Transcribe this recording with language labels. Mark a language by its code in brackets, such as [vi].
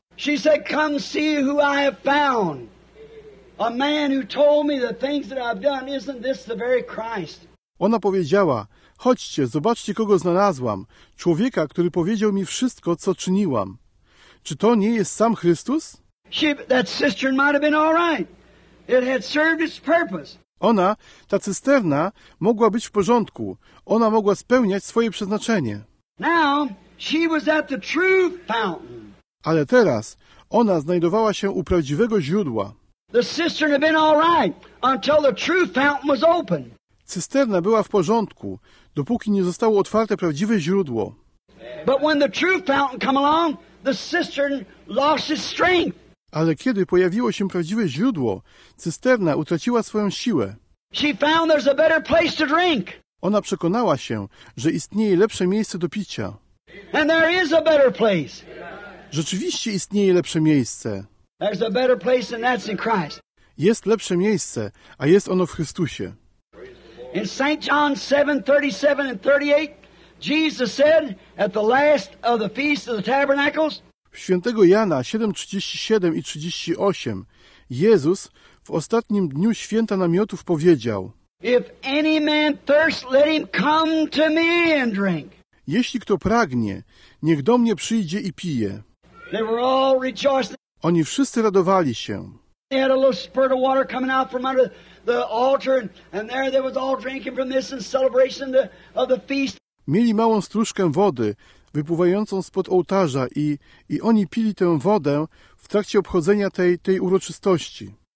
[en] She said, come see who I have found. A man who told me the things that I've done, isn't this the very Christ? [pl] Ona powiedziała, chodźcie, zobaczcie, kogo znalazłam. Człowieka, który powiedział mi wszystko, co czyniłam. Czy to nie jest sam Chrystus? [en] That cistern might have been all right. It had served its purpose. [pl] Ona, ta cysterna, mogła być w porządku. Ona mogła spełniać swoje przeznaczenie. [en] Now, she was at the true fountain. [pl] Ale teraz ona znajdowała się u prawdziwego źródła. [en] The cistern had been all right until the true fountain was open. [pl] Cysterna była w porządku, dopóki nie zostało otwarte prawdziwe źródło. [en] But when the true fountain came along, the cistern lost its strength. [pl] Ale kiedy pojawiło się prawdziwe źródło, cysterna utraciła swoją siłę. [en] She found there's a better place to drink. [pl] Ona przekonała się, że istnieje lepsze miejsce do picia. [en] And there is a better place. [pl] Rzeczywiście istnieje lepsze miejsce. [en] There's a better place than that's in Christ. [pl] Jest lepsze miejsce, a jest ono w Chrystusie. [en] In St. John 7:37 and 38, Jesus said at the last of the feast of the tabernacles. [pl] Świętego Jana 7:37 i 38 Jezus w ostatnim dniu święta namiotów powiedział: [en] If any man thirst, let him come to me and drink. [pl] Jeśli kto pragnie, niech do mnie przyjdzie i pije. [en] They were all rejoicing. [pl] Oni wszyscy radowali się. [en] They had a little spurt of water coming out from under the altar, and there they was all drinking from this in celebration of the feast. [pl] Mieli małą stróżkę wody wypływającą spod ołtarza i oni pili tę wodę w trakcie obchodzenia tej uroczystości.